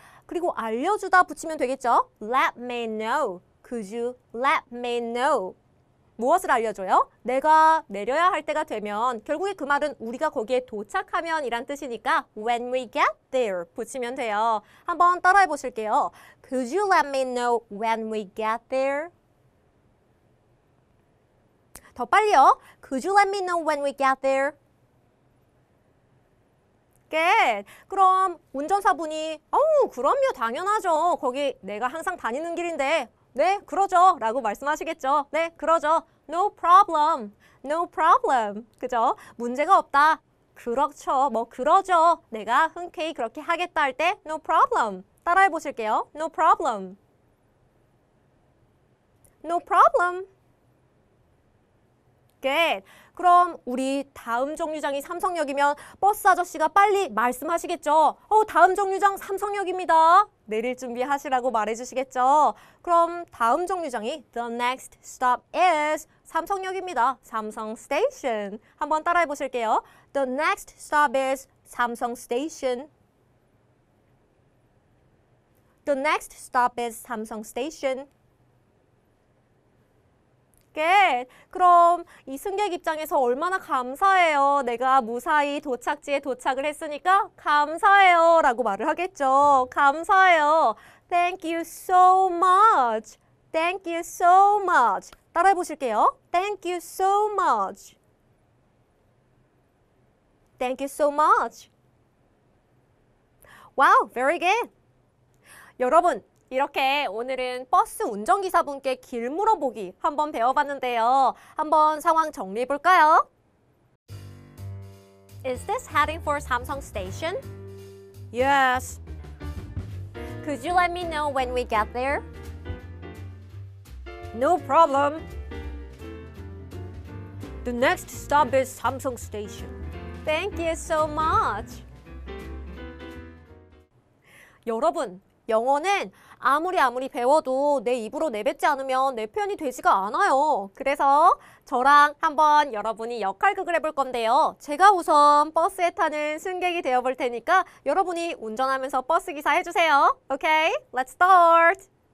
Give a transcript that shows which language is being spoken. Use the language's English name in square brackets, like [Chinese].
[Korean] 그리고 알려주다 붙이면 되겠죠? [English] Let me know. Could you let me know? [Korean] 무엇을 알려줘요? 내가 내려야 할 때가 되면 결국에 그 말은 우리가 거기에 도착하면 이란 뜻이니까 [English] when we get there [Korean] 붙이면 돼요. 한번 따라해 보실게요. [English] Could you let me know when we get there? [Korean] 더 빨리요. [English] Could you let me know when we get there? Good. [Korean] 그럼 운전사분이 어우 그럼요 당연하죠. 거기 내가 항상 다니는 길인데 네, 그러죠. 라고 말씀하시겠죠. 네, 그러죠. [English] No problem. No problem. [Korean] 그죠? 문제가 없다. 그렇죠. 뭐 그러죠. 내가 흔쾌히 그렇게 하겠다 할 때 [English] No problem. [Korean] 따라해 보실게요. [English] No problem. No problem. Good. [Korean] 그럼 우리 다음 정류장이 삼성역이면 버스 아저씨가 빨리 말씀하시겠죠. 어, 다음 정류장 삼성역입니다. 내릴 준비하시라고 말해주시겠죠. 그럼 다음 정류장이 [English] The next stop is [Korean] 삼성역입니다. 삼성 스테이션. 한번 따라해 보실게요. [English] The next stop is 삼성 스테이션. The next stop is 삼성 스테이션. Good. [Korean] 그럼 이 승객 입장에서 얼마나 감사해요. 내가 무사히 도착지에 도착을 했으니까 감사해요 라고 말을 하겠죠. 감사해요. [English] Thank you so much. Thank you so much. [Korean] 따라해 보실게요. [English] Thank you so much. Thank you so much. Wow, very good. [Korean] 여러분. 이렇게 오늘은 버스 운전기사분께 길 물어보기 한번 배워봤는데요. 한번 상황 정리해볼까요? [English] Is this heading for Samsung Station? Yes. Could you let me know when we get there? No problem. The next stop is Samsung Station. Thank you so much. [Korean] 여러분, 영어는 아무리 배워도 내 입으로 내뱉지 않으면 내 표현이 되지가 않아요. 그래서 저랑 한번 여러분이 역할극을 해볼 건데요. 제가 우선 버스에 타는 승객이 되어볼 테니까 여러분이 운전하면서 버스 기사 해주세요. [English] Okay, let's start.